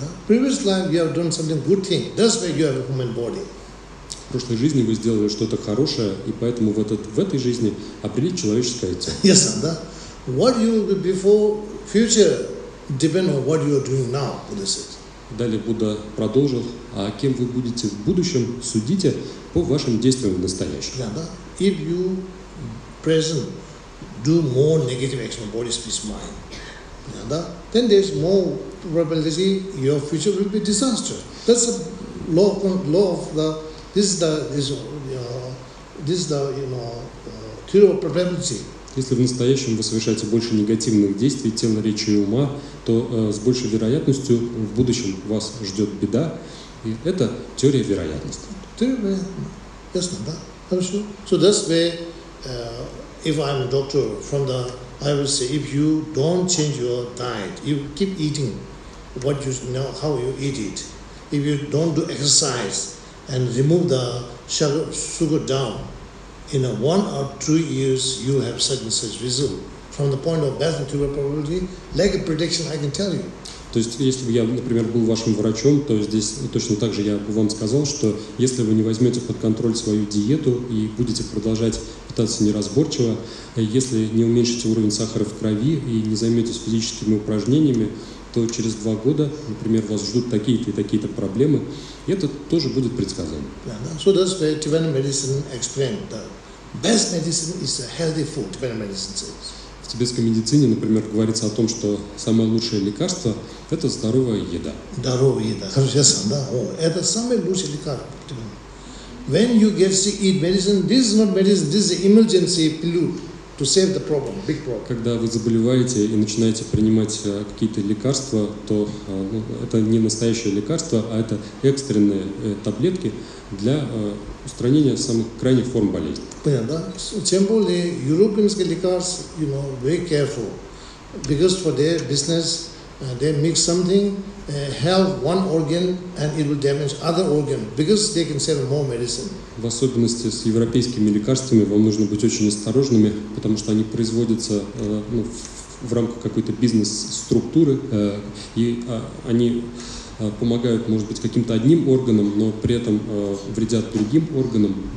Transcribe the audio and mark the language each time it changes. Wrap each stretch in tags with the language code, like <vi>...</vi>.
<en>Previous life you have done something good thing. That's why you have a human body.</en> <ru>В прошлой жизни вы сделали что-то хорошее, и поэтому в этой жизни обрели человеческое тело.</ru> <en>Yes, Buddha. What you will be before, future depend on what you are doing now, Buddha says.</en> <ru>Далее Будда продолжил, а кем вы будете в будущем, судите по вашим действиям в настоящем.</ru> <en>Yeah,</en> <ru>да?</ru> <en>If you present, do more negative action, body, speech, mind, yeah, да? Then there's more probability your future will be disaster. That's the law of the, theory of probability.</en> <ru>Если в настоящем вы совершаете больше негативных действий тела, речи и ума, то с большей вероятностью в будущем вас ждет беда. И это теория вероятности. Теория вероятности. Ясно, да? Хорошо.</ru> <en>So that's where, if I'm a doctor, from the, I will say, if you don't change your diet, you keep eating what you know, how you eat it. If you don't do exercise and remove the sugar down, in a 1 or 2 years you have such and such result. From the point of death and tumor probability, like a prediction, I can tell you.</en> <ru>То есть, если бы я, например, был вашим врачом, то здесь точно так же я бы вам сказал, что если вы не возьмете под контроль свою диету и будете продолжать питаться неразборчиво, если не уменьшите уровень сахара в крови и не займетесь физическими упражнениями, то через 2 года, например, вас ждут такие-то и такие-то проблемы, и это тоже будет предсказание.</ru> <en>So that's where Tibetan medicine explained that best medicine is a healthy food, Tibetan medicine says.</en> <ru>В тибетской медицине, например, говорится о том, что самое лучшее лекарство – это здоровая еда. Здоровая еда. Хорошо, да. О, это самое лучшее лекарство.</ru> <en>When you get sick, eat medicine. This is not medicine, this is an emergency pill to save the problem, big problem.</en> <ru>Когда вы заболеваете и начинаете принимать какие-то лекарства, то это не настоящее лекарство, а это экстренные таблетки для устранения самых крайних форм болезни. Понятно, да?</ru> <en>So,</en> <ru>тем более, европейские лекарства,</ru> <en>you know, very careful. Because for their business, they mix something, help one organ, and it will damage other organ, because they can sell more medicine.</en> <ru>В особенности с европейскими лекарствами вам нужно быть очень осторожными, потому что они производятся в рамках какой-то бизнес-структуры, они помогают, может быть, каким-то одним органам, но при этом вредят другим органам.</ru>